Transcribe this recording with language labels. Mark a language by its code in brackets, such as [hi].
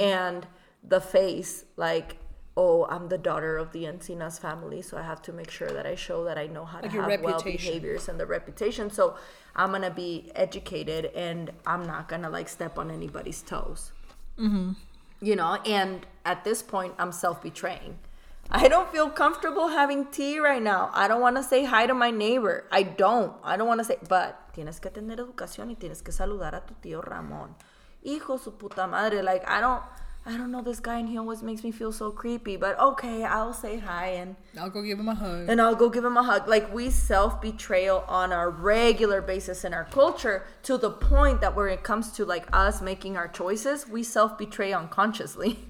[en] and the face, like, oh, I'm the daughter of the Encinas family, so I have to make sure that I show that I know how to have well behaviors and the reputation, so I'm gonna be educated and I'm not gonna like step on anybody's toes, mm-hmm. you know, and at this point I'm self-betraying. I don't feel comfortable having tea right now. I don't want to say hi to my neighbor. I don't want to say, but [es] tienes que tener educación y tienes que saludar a tu tío Ramón. Hijo su puta madre. [en] Like, I don't know this guy, and he always makes me feel so creepy. But okay, I'll say hi and I'll go give him a hug. Like, we self-betrayal on a regular basis in our culture to the point that where it comes to like us making our choices, we self-betray unconsciously.